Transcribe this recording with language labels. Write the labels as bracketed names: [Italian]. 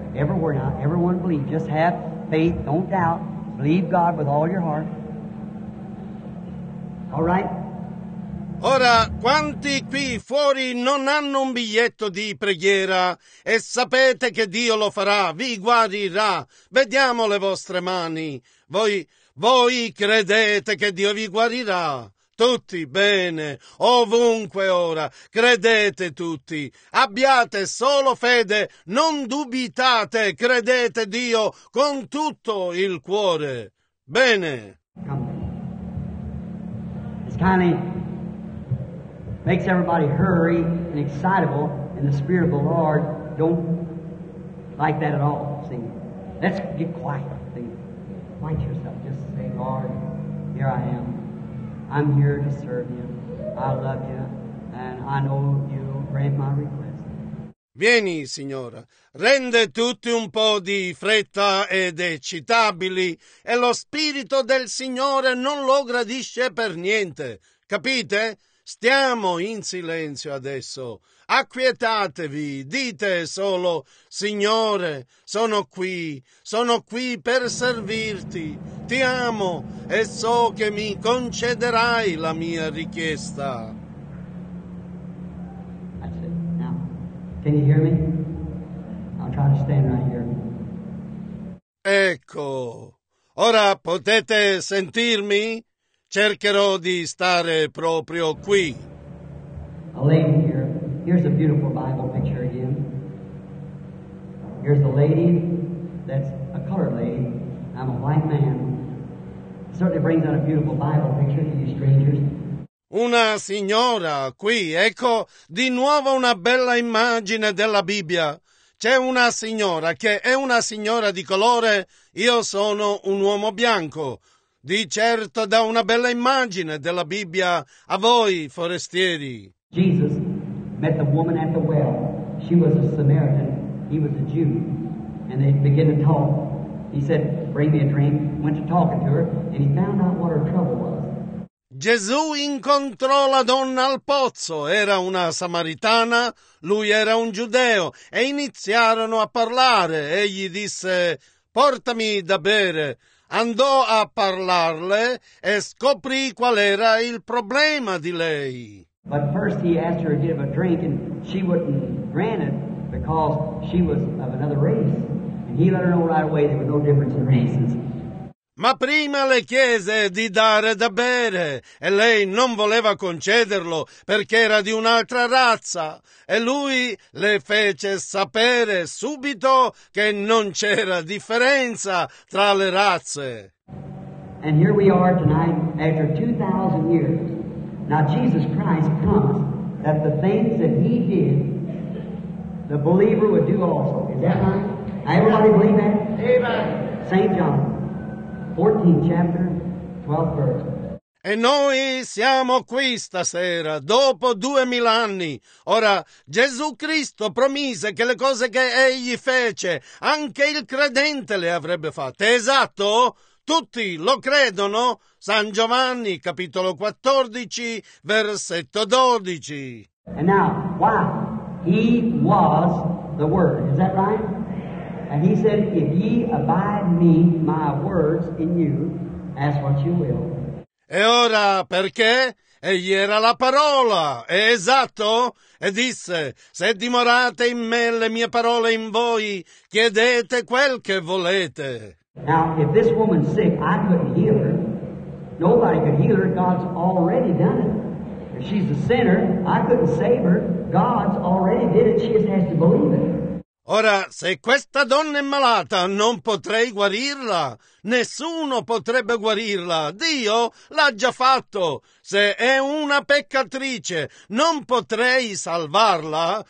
[English] Everyone believe. Just have faith, don't doubt. Believe God with all your heart. All right? [Italian] Ora, quanti qui fuori non hanno un biglietto di preghiera e sapete che Dio lo farà, vi guarirà. Vediamo le vostre mani. Voi credete che Dio vi guarirà. Tutti bene, ovunque ora, credete tutti, abbiate solo fede, non dubitate, credete Dio con tutto il cuore. Bene. [English] It's kind of makes everybody hurry and excitable in the spirit of the Lord. Don't like that at all. See, let's get quiet. Quiet yourself. Just say, Lord, here I am. I'm here to serve you. I love you and I know you grant my request. [Italian] Vieni, signora. Rende tutti un po' di fretta ed eccitabili e lo spirito del Signore non lo gradisce per niente. Capite? Stiamo in silenzio adesso. Acquietatevi, dite solo: Signore, sono qui per servirti. Ti amo e so che mi concederai la mia richiesta. [English] That's it. Now, can you hear me? I'll try to stand right here. [Italian] Ecco, ora potete sentirmi? cercherò di stare proprio qui. [English] A lady here. Here's a beautiful Bible picture again. Here's a lady that's a colored lady. I'm a white man. Certainly brings out a beautiful Bible picture to you strangers. [Italian] Una signora qui, ecco, di nuovo una bella immagine della Bibbia. C'è una signora che è una signora di colore, io sono un uomo bianco. Di certo dà una bella immagine della Bibbia a voi, forestieri. [English] Jesus met the woman at the well. She was a Samaritan, he was a Jew. And they began to talk. He said, bring me a drink. Went to talking to her, and he found out what her trouble was. [Italian] Gesù incontrò la donna al pozzo, era una samaritana, lui era un giudeo, e iniziarono a parlare. Egli disse, portami da bere. Andò a parlarle e scoprì qual era il problema di lei. [English] But first he asked her to give a drink, and she wouldn't grant it because she was of another race. And he let her know right away there was no difference in races. [Italian] Ma prima le chiese di dare da bere e lei non voleva concederlo perché era di un'altra razza e lui le fece sapere subito che non c'era differenza tra le razze. [English] And here we are tonight after 2,000 years. Now Jesus Christ promised that the things that he did, the believer would do also. Is that right? Everybody believe that? Amen. St. John. 14th chapter, 12th verse. [Italian] E noi siamo qui stasera, dopo 2000 anni. Ora, Gesù Cristo promise che le cose che egli fece, anche il credente le avrebbe fatte. Esatto? Tutti lo credono? San Giovanni, capitolo 14, versetto 12. [English] And now, why? He was the Word. Is that right? And he said, if ye abide me, my words in you, ask what you will. [Italian] E ora perché? Egli era la parola, è esatto? E disse, se dimorate in me le mie parole in voi, chiedete quel che volete. [English] Now, if this woman's sick, I couldn't heal her. Nobody could heal her, God's already done it. If she's a sinner, I couldn't save her. God's already did it, she just has to believe it. [Italian] Ora, se questa donna è malata, non potrei guarirla. Nessuno potrebbe guarirla. Dio l'ha già fatto. Se è una peccatrice, non potrei salvarla.